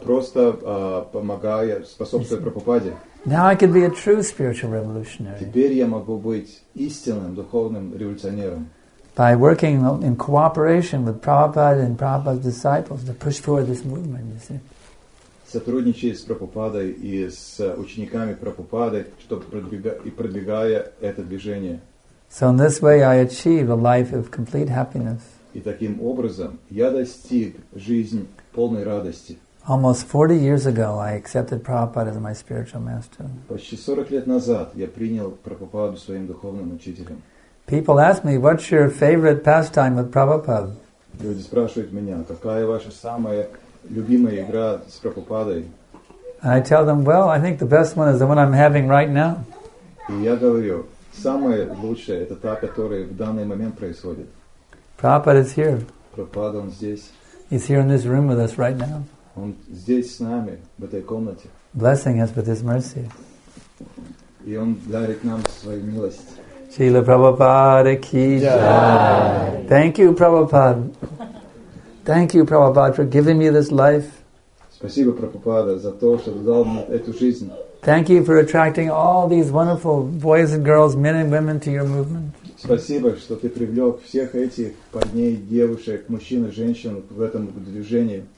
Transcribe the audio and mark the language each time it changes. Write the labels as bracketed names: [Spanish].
[Russian] Просто помогая, способствуя Прабхупаде. [English] Now I can be a true spiritual revolutionary. [Russian] Теперь я могу быть истинным духовным революционером. [English] By working in cooperation with Prabhupada and Prabhupada's disciples to push forward this movement, you see. [Russian] Сотрудничая с Прабхупадой и с учениками Прабхупады, чтобы продвигая это движение. [English] So in this way I achieve a life of complete happiness. [Russian] И таким образом я достиг жизни полной радости. [English] Almost 40 years ago, I accepted Prabhupada as my spiritual master. [Russian] Почти 40 лет назад я принял Прабхупаду своим духовным учителем. [English] People ask me, "What's your favorite pastime with Prabhupada?" [Russian] Люди спрашивают меня, какая ваша самая любимая игра с Прабхупадой? [English] And I tell them, "Well, I think the best one is the one I'm having right now." [Russian] И я говорю, самое лучшее это та, которая в данный момент происходит. [English] Prabhupada is here. [Russian] Прабхупада он здесь. [English] He's here in this room with us right now. [Russian] Он здесь с нами, в этой комнате. [English] Blessing us with his mercy. [Russian] И он дарит нам свою милость. [Hindi] Srila Prabhupada ki jai. [English] Thank you, Prabhupada. Thank you, Prabhupada, for giving me this life. [Russian] Спасибо, Прабхупада, за то, что дал мне эту жизнь. [English] Thank you for attracting all these wonderful boys and girls, men and women to your movement. [Russian] Спасибо, что ты привлек всех этих парней, девушек, мужчин и женщин в этом движении.